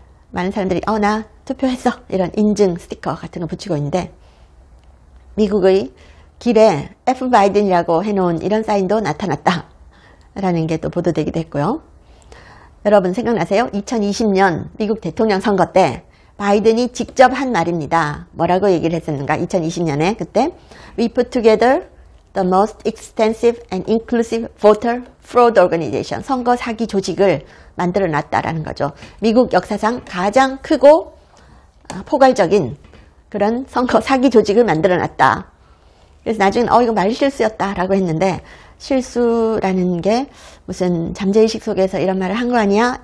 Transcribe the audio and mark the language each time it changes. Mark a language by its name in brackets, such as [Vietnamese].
[Korean] 많은 사람들이 나 투표했어 이런 인증 스티커 같은 거 붙이고 있는데 미국의 길에 F. 바이든이라고 해놓은 이런 사인도 나타났다라는 게 또 보도되기도 했고요. 여러분 생각나세요? 2020년 미국 대통령 선거 때 바이든이 직접 한 말입니다. 뭐라고 얘기를 했었는가? 2020년에 그때 [English] We put together the most extensive and inclusive voter fraud organization. [Korean] 선거 사기 조직을 만들어놨다라는 거죠. 미국 역사상 가장 크고 포괄적인 그런 선거 사기 조직을 만들어놨다. 그래서 나중에 이거 말실수였다 라고 했는데 실수라는 게 무슨 잠재의식 속에서 이런 말을 한 거 아니야?